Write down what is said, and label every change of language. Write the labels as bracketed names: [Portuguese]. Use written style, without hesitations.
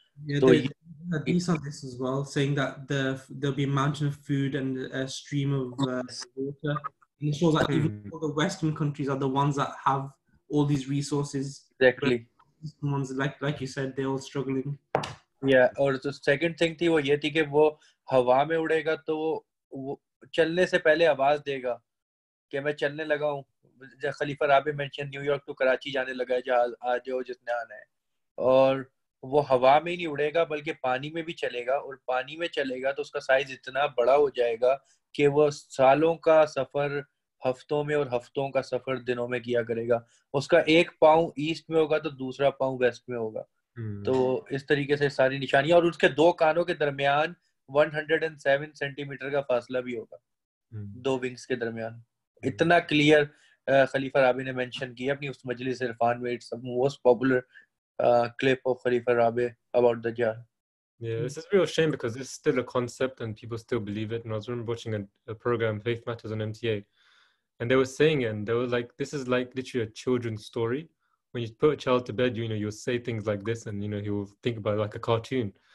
[English] Yeah, so, on this as well, saying that there'll be a mountain of food and a stream of water. And it shows that even all the Western countries are the ones that have all these resources. Exactly. The ones, like you said, they're all struggling. Yeah, or the second thing was that if it flies in the air, [Urdu] چلنے سے پہلے آواز دے گا کہ میں چلنے لگا ہوں. خلیفہ رابع mention new York to Karachi جانے لگا ہے, جہاز آ جاؤ جس نے آنا ہے, اور وہ ہوا میں ہی نہیں اڑے گا بلکہ پانی میں بھی چلے گا, اور پانی میں چلے گا تو اس کا سائز اتنا بڑا ہو جائے گا کہ وہ سالوں کا سفر ہفتوں میں اور ہفتوں کا سفر دنوں میں کیا کرے گا. اس کا ایک پاؤں ایسٹ میں ہوگا تو دوسرا پاؤں ویسٹ میں ہوگا. تو اس طریقے سے ساری نشانیاں, اور اس کے دو کانوں کے درمیان 107 سینٹی میٹر کا فاصلہ بھی ہوگا دو ونگز کے درمیان. اتنا کلیئر خلیفہ رابع نے مینشن کیا اپنی اس مجلس عرفان میں. [English] It's most popular clip of خلیفہ رابع about the jar. Yeah, this is a real shame because it's still a concept and people still believe it. And I was remember watching a program, Faith Matters on MTA, and they were saying it, and they were like, this is like literally a children's story. When you put a child to bed, you know, you'll say things like this, and you know, he will think about it like a cartoon.